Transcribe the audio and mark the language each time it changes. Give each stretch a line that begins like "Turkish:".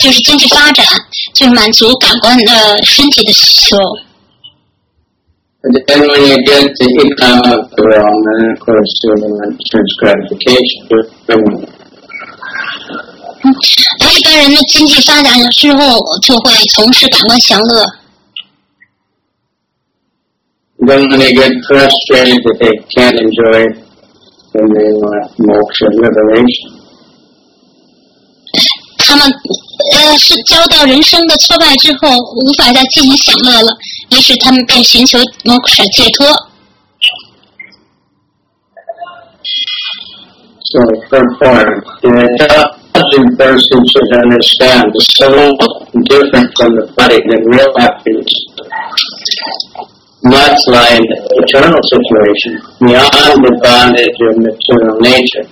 Chinese: 就是经济发展，就是满足感官的身体的需求。
English: And then when you get the economic development, of course, you have sense gratification.
Chinese: 而一般人的经济发展之后，就会从事感官享乐。
English: Then when they get frustrated that they can't enjoy it, then they want moksha liberation.
Chinese: 他们是遭到人生的挫败之后无法再进行享乐了，于是他们便寻求moksha解脱。
English: So, third point, an intelligent person should understand the soul different from the body than real happiness. Not like the eternal situation, beyond the bondage of material nature.